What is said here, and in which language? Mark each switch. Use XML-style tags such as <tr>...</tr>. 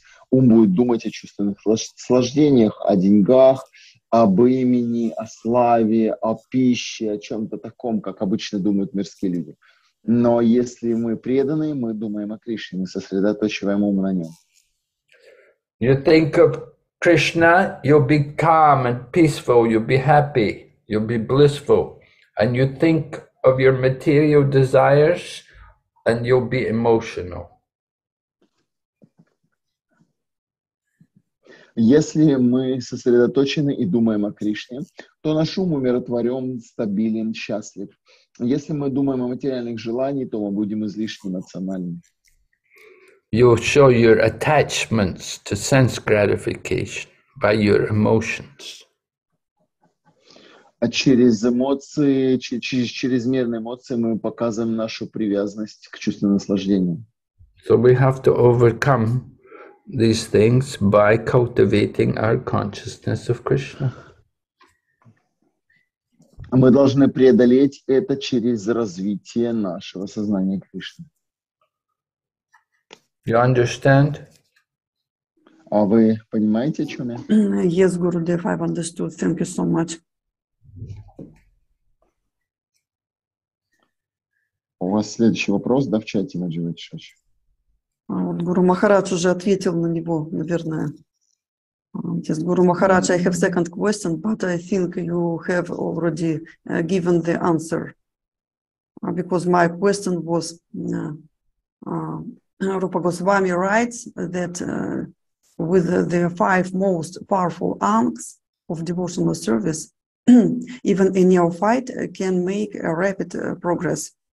<ru>Ум будет думать о чувственных наслаждениях, о деньгах, об имени, о славе, о пище, о чем-то таком, как обычно думают мирские люди. Но если мы преданы, мы думаем о Кришне, мы сосредоточиваем ум на нем.</ru> <en>You think of Krishna, you'll be calm and peaceful, you'll be happy, you'll be blissful. And you think of your material desires, and you'll be emotional.</en> <ru>Если мы сосредоточены и думаем о Кришне, то наш ум умиротворен, стабилен, счастлив. Если мы думаем о материальных желаниях, то мы будем излишне эмоциональны.</ru> <en>You'll show your attachments to sense gratification by your emotions.</en> <ru>А через эмоции, через чрезмерные эмоции мы показываем нашу привязанность к чувственным наслаждениям.</ru> <en>So we have to overcome these things by cultivating our consciousness of Krishna.</en> <ru>Мы должны преодолеть это через развитие нашего сознания Кришны.</ru> <en>You understand?</en> <ru>А вы понимаете, о чем я?</ru> <en>Yes, Gurudev, I've understood. Thank you so much.</en> <ru>У вас следующий вопрос, да, в чате, Маджива Чаш? Гуру Махарадж уже ответил на него, наверное.</ru> <en>Yes, Гуру Махарадж, I have second question, but I think you have already given the answer. Because my question was... Rupa Goswami writes that with the five most powerful angs of devotional service, even a neophyte can make a rapid progress.</en>